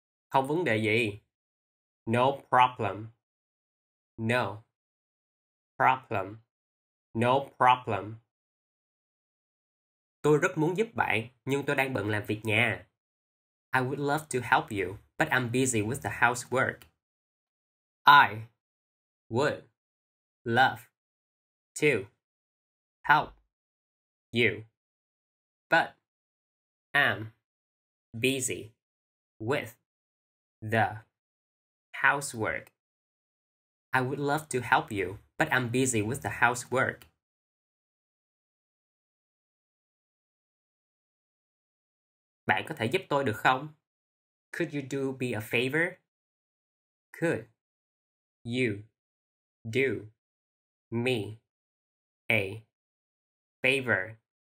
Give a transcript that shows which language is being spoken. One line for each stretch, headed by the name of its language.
Vietnamese: Không vấn đề gì.
English: No problem. No. Problem. No problem.
Vietnamese: Tôi rất muốn giúp bạn, nhưng tôi đang bận làm việc nhà.
English: I would love to help you, but I'm busy with the housework. I would love to help you, but I'm busy with the housework. I would love to help you, but I'm busy with the housework.
Vietnamese: Bạn có thể giúp tôi được không?
English: Could you do me a favor? Could you do me a favor?